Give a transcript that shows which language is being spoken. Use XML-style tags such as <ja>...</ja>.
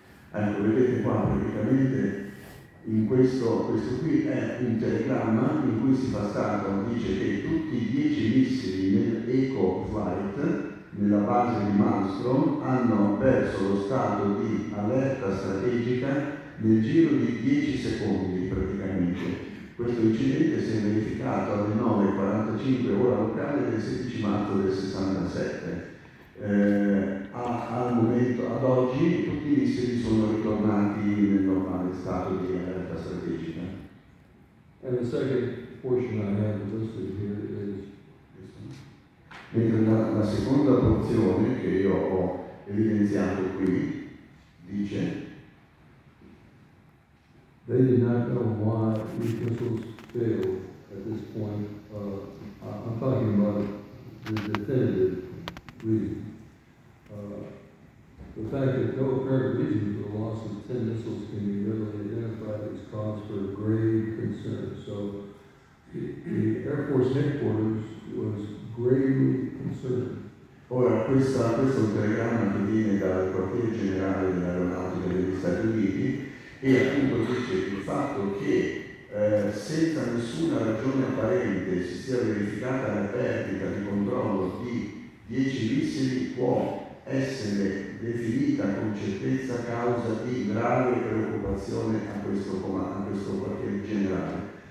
<it>Ecco, vedete qua praticamente in questo qui è un telegramma in cui si fa stato, dice che tutti i 10 missili nell'Echo Flight nella base di Malmstrom hanno perso lo stato di allerta strategica nel giro di 10 secondi praticamente. Questo incidente si è verificato alle 9.45 ora locale del 16 marzo del 67. Ad oggi tutti i missili sono ritornati nel normale stato di alerta strategica.</it> <en>And the second portion I have listed here is...</en> <it>Mentre la seconda porzione che io ho evidenziato qui dice:</it> <en>they did not know why these missiles failed at this point. I'm talking about the definitive reason. The fact that no apparent reason for the loss of 10 missiles can be readily identified as cause for grave concern. So the Air Force headquarters was gravely concerned.</en> <it>Ora, questo è un telegramma che viene dal quartier generale dell'aeronautica degli Stati Uniti, e appunto dice il fatto che senza nessuna ragione apparente si sia verificata la perdita di controllo di 10 missili può essere definita con certezza causa di grave preoccupazione a questo quartier generale.</it>